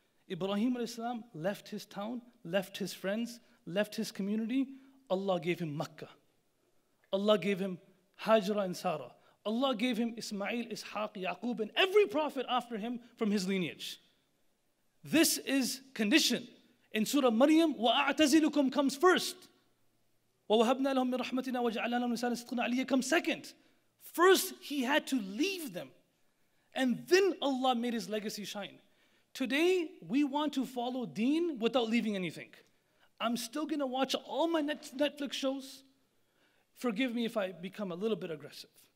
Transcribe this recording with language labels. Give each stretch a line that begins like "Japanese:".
English: Ibrahim alayhi salam left his town, left his friends, left his community. Allah gave him Mecca. Allah gave him Hajra and Sarah. Allah gave him Ismail, Ishaq, Yaqub, and every prophet after him from his lineage. This is condition. In Surah Maryam, وَأَعْتَزِلُكُمْ comes first.
Arabic: وَوَهَبْنَا لَهُمْ مِنْ رَحْمَتِنَا وَجَعَلَنَا لَهُمْ لِسَانَ صِدْقٍ عَلِيًّا
English: comes second. First, he had to leave them. And then Allah made his legacy shine. Today, we want to follow deen without leaving anything. I'm still going to watch all my Netflix shows. Forgive me if I become a little bit aggressive.